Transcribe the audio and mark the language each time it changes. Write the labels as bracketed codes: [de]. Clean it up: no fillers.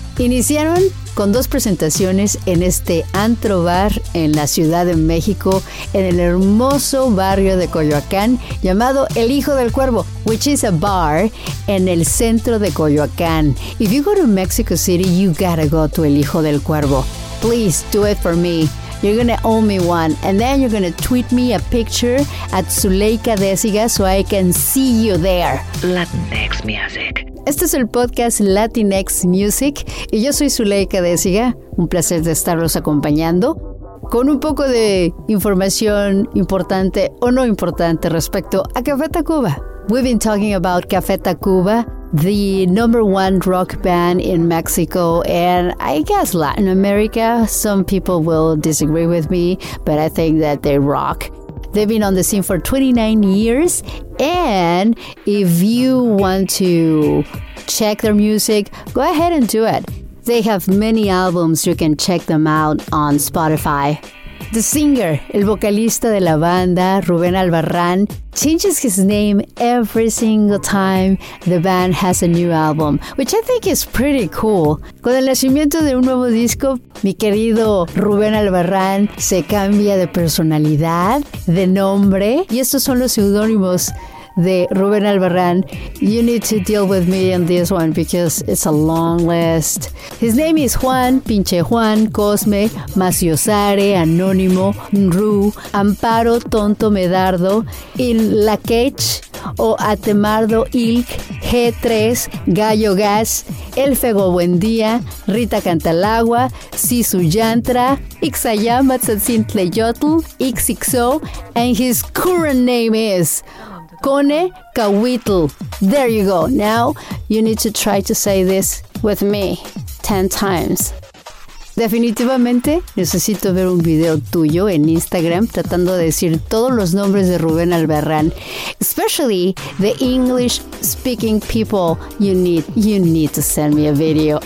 [es] Iniciaron con dos presentaciones en este antro bar en la Ciudad de México, en el hermoso barrio de Coyoacán, llamado El Hijo del Cuervo, [en] which is a bar [es] en el centro de Coyoacán. [en] If you go to Mexico City, you gotta go to El Hijo del Cuervo. Please do it for me. You're gonna owe me one. And then you're gonna tweet me a picture at Zuleika Desiga so I can see you there. Latinx Music. [es] Este es el podcast Latinx Music y yo soy Zuleika Desiga. Un placer de estarlos acompañando con un poco de información importante o no importante respecto a Café Tacuba. [en] We've been talking about Café Tacuba, the number one rock band in Mexico and I guess Latin America. Some people will disagree with me, but I think that they rock. They've been on the scene for 29 years, and if you want to check their music, go ahead and do it. They have many albums, you can check them out on Spotify. The singer, [es] el vocalista de la banda, [en] Rubén Albarrán, changes his name every single time the band has a new album, which I think is pretty cool. [es] Con el nacimiento de un nuevo disco, mi querido Rubén Albarrán se cambia de personalidad, de nombre, y estos son los seudónimos de Rubén Albarrán. [en] You need to deal with me on this one because it's a long list. His name is Juan, Pinche Juan, Cosme, Maciosare, Anónimo, Ru, Amparo, Tonto, Medardo, Il Laquech, o Atemardo, Ilk, G3, Gallo Gas, Elfego Buendía, Rita Cantalagua, Sisu Yantra, Ixayama, Tzatzintle Yotl, XXO, and his current name is Cone Cahuitl. There you go. Now you need to try to say this with me 10 times. [es] Definitivamente necesito ver un video tuyo en Instagram tratando de decir todos los nombres de Rubén Albarrán. [en] Especially the English speaking people, you need to send me a video.